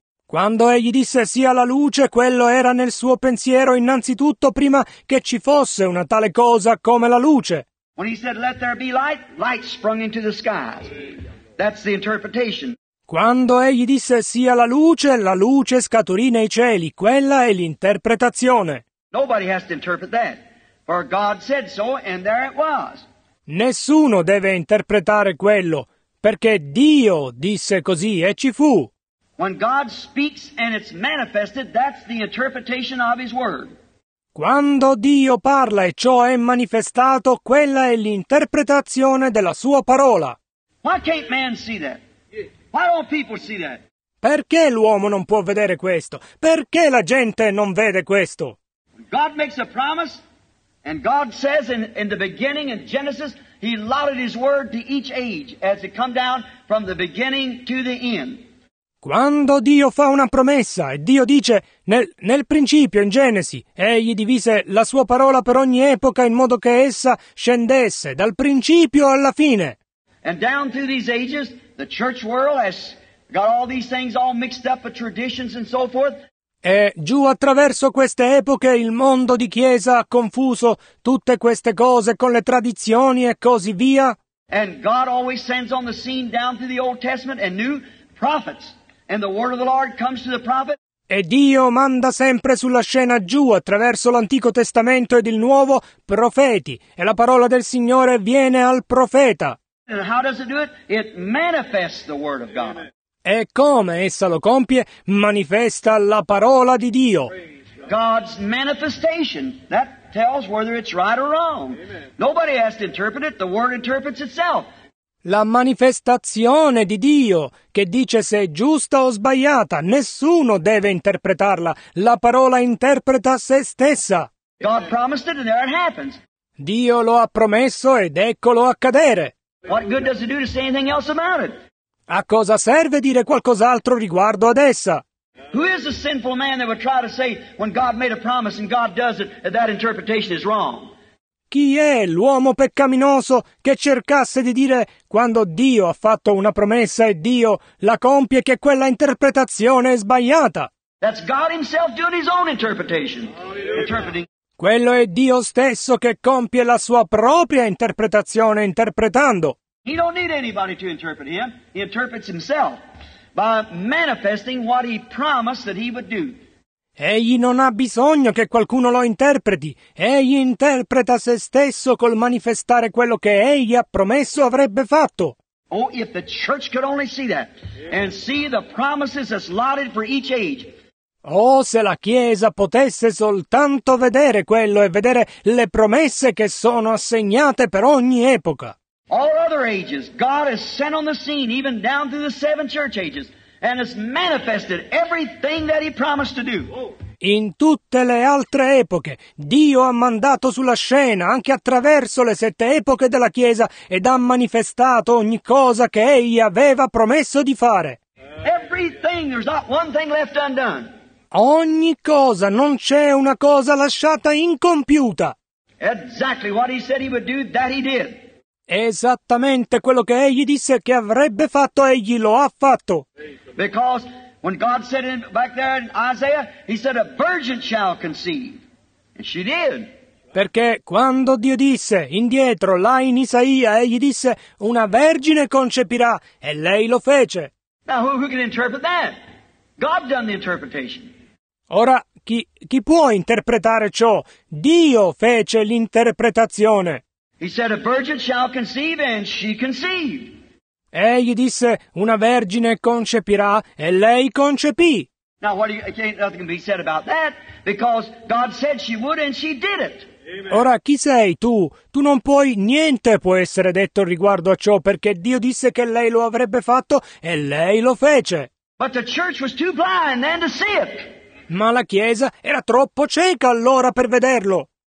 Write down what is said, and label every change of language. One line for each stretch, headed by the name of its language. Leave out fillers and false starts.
Italian: Quando egli disse sia la luce, quello era nel suo pensiero innanzitutto prima che ci fosse una tale cosa come la luce.
English: When he said, let there be light, light sprung into the skies. That's the interpretation.
Italian: Quando egli disse sia la luce scaturì nei cieli, quella è l'interpretazione.
English: Nobody has to interpret that, for God said so, and there it was.
Italian: Nessuno deve interpretare quello, perché Dio disse così e ci fu.
English: When God speaks and it's manifested, that's the interpretation of his word.
Italian: Quando Dio parla e ciò è manifestato, quella è l'interpretazione della sua parola.
English: Why can't man see that? Why don't people see that?
Italian: Perché l'uomo non può vedere questo? Perché la gente non vede questo?
English: God makes a promise. And God says in the beginning in Genesis, he allotted his word to each age as it come down from the beginning to the end.
Italian: Quando Dio fa una promessa e Dio dice nel principio in Genesi, egli divise la sua parola per ogni epoca in modo che essa scendesse dal principio alla fine.
English: And down through these ages, the church world has got all these things all mixed up with traditions and so forth.
Italian: E giù attraverso queste epoche il mondo di chiesa ha confuso tutte queste cose con le tradizioni e così via.
English: And God always sends on the scene down through the Old Testament and new prophets. And the word of the Lord comes to the prophet.
Italian: E Dio manda sempre sulla scena giù attraverso l'Antico Testamento ed il Nuovo profeti. E la parola del Signore viene al profeta.
English: And how does it do it? It manifests the word of God.
Italian: E come essa lo compie, manifesta la parola di Dio.
English: God's manifestation, that tells whether it's right or wrong. Amen. Nobody has to interpret it, the word interprets itself.
Italian: La manifestazione di Dio, che dice se è giusta o sbagliata, nessuno deve interpretarla, la parola interpreta se stessa.
English: God promised it and there it happens.
Italian: Dio lo ha promesso ed eccolo accadere.
English: What good does it do to say anything else about it?
Italian: A cosa serve dire qualcos'altro riguardo ad essa?
English: Who is a sinful man that would try to say when God made a promise and God does it that interpretation is wrong?
Italian: Chi è l'uomo peccaminoso che cercasse di dire quando Dio ha fatto una promessa e Dio la compie che quella interpretazione è sbagliata?
English: That's God himself doing his own interpretation. Interpreting.
Italian: Quello è Dio stesso che compie la sua propria interpretazione interpretando.
English: He don't need anybody to interpret him. He interprets himself by manifesting what he promised that he would do.
Italian: Egli non ha bisogno che qualcuno lo interpreti. Egli interpreta se stesso col manifestare quello che egli ha promesso avrebbe fatto.
English: Oh, if the church could only see that and see the promises allotted for each age.
Italian: Oh, se la Chiesa potesse soltanto vedere quello e vedere le promesse che sono assegnate per ogni epoca.
English: All other ages, God has sent on the scene, even down through the seven church ages, and has manifested everything that He promised to do.
Italian: In tutte le altre epoche, Dio ha mandato sulla scena, anche attraverso le sette epoche della Chiesa, ed ha manifestato ogni cosa che Egli aveva promesso di fare.
English: Everything, there's not one thing left undone.
Italian: Ogni cosa, non c'è una cosa lasciata incompiuta.
English: Exactly what he said he would do, that he did.
Italian: Esattamente quello che egli disse che avrebbe fatto, egli lo ha fatto.
English: Because when God said it back there in Isaiah, he said a virgin shall conceive. And she did.
Italian: Perché quando Dio disse indietro, là in Isaia, egli disse una vergine concepirà, e lei lo fece.
English: Now who can interpret that? God done the interpretation.
Italian: Ora, chi può interpretare ciò? Dio fece l'interpretazione.
English: He said, a virgin shall conceive, and she conceived.
Italian: Egli disse, una vergine concepirà, e lei concepì.
English: Now, nothing can be said about that, because God said she would, and she did it.
Italian: Ora, chi sei tu? Tu non puoi, niente può essere detto riguardo a ciò, perché Dio disse che lei lo avrebbe fatto, e lei lo fece.
English: But the church was too blind then to see it.
Italian: Ma la Chiesa era troppo cieca allora per vederlo.